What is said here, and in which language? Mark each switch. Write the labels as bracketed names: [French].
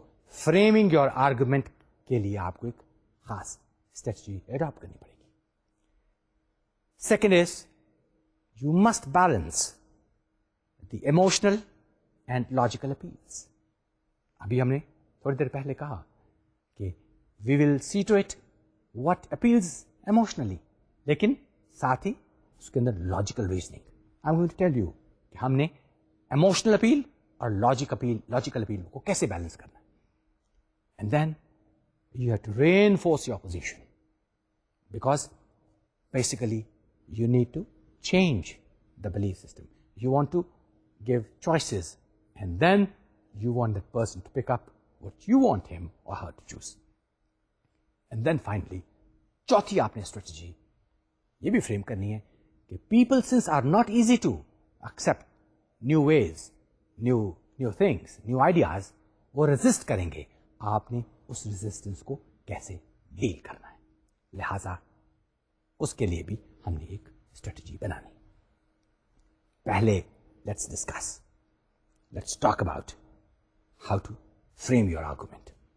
[English] Framing your argument [Urdu] کے لیے آپ کو ایک خاص اسٹریٹجی اڈاپٹ کرنی پڑے گی. [English] Second is, you must balance the emotional and logical appeals. [Urdu] ابھی ہم نے تھوڑی دیر پہلے کہا کہ [English] we will see to it what appeals emotionally, [Urdu] لیکن ساتھ ہی اس کے اندر [English] logical reasoning. I'm going to tell you [Urdu] کہ ہم نے [English] emotional appeal اور logical appeal کو کیسے balance کرنا. And then you have to reinforce your position, because basically you need to change the belief system. You want to give choices and then you want the person to pick up what you want him or her to choose. And then finally, [Urdu] chauthi aapne strategy ye bhi frame karni hai ki [English] people since are not easy to accept new ways, new new things new ideas [Urdu] وہ resist کریں گے. آپ نے اس resistance کو کیسے deal کرنا ہے, لہذا اس کے لیے بھی ہم نے ایک اسٹریٹجی بنانی. [English] پہلے let's discuss, let's talk about how to frame your argument.